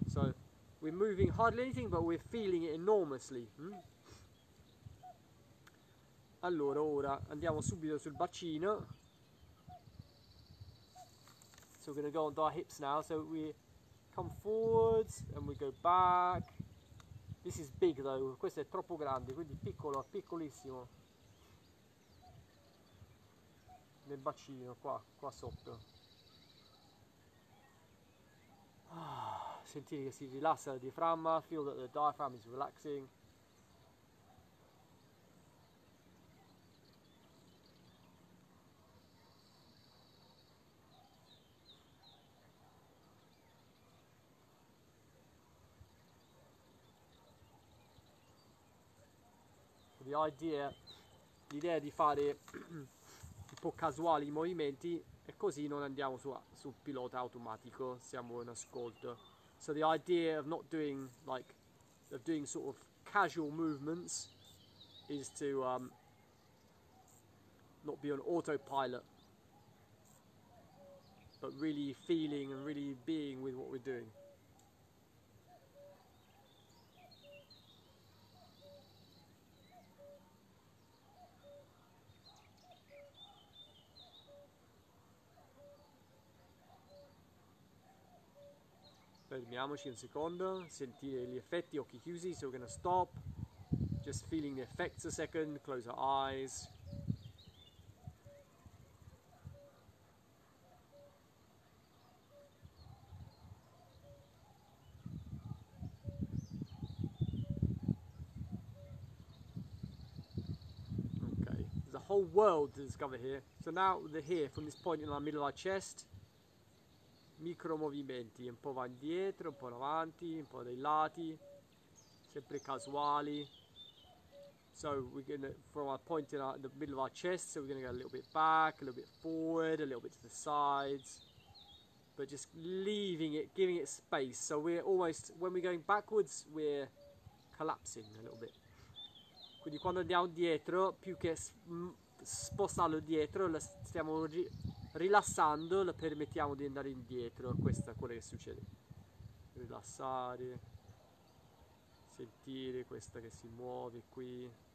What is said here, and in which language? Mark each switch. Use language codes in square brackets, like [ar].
[en] So we're moving hardly anything, but we're feeling it enormously. [it] Allora, ora andiamo subito sul bacino. [en] So we're gonna go onto our hips now. So we come forwards and we go back. This is big though, [it] questo è troppo grande, quindi piccolo, piccolissimo. Nel bacino, qua sotto. Ah, sentire che si rilassa la diaframma, [en] feel that the diaphragm is relaxing. [it] L'idea di fare un po' casuali i movimenti e così non andiamo sul pilota automatico, siamo in ascolto. [en] So the idea of not doing like of doing sort of casual movements is to not be on autopilot, but really feeling and really being with what we're doing. [it] Fermiamoci. Fermiamoci un secondo, sentire gli effetti, occhi chiusi, [en] so we're gonna stop, just feeling the effects a second, close our eyes. Okay, there's a whole world to discover here. So now we're here, from this point in the middle of our chest, [it] micro movimenti, un po' va indietro, un po' avanti, un po' dai lati, sempre casuali. [en] So we're gonna, from our point in the middle of our chest, so we're gonna go a little bit back, a little bit forward, a little bit to the sides, but just leaving it, giving it space. So we're almost, when we're going backwards, we're collapsing a little bit. [it] Quindi quando andiamo dietro, più che spostarlo dietro, lo stiamo rilassando, lo permettiamo di andare indietro, questo è quello che succede. Rilassare, sentire questa che si muove qui.